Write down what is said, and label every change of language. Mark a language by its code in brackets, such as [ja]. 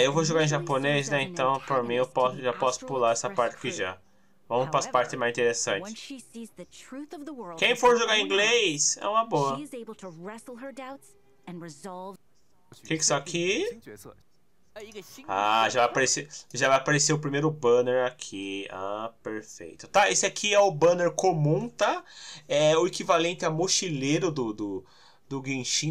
[pt] Eu vou jogar em japonês, né? Então, por mim, eu já posso pular essa parte aqui já. Vamos para as partes mais interessantes. Quem for jogar em inglês, é uma boa. [en] She is able to wrestle her doubts and resolve. [pt] Que isso aqui? Ah, já vai aparecer o primeiro banner aqui. Ah, perfeito. Tá, esse aqui é o banner comum, tá? É o equivalente a mochileiro do Genshin.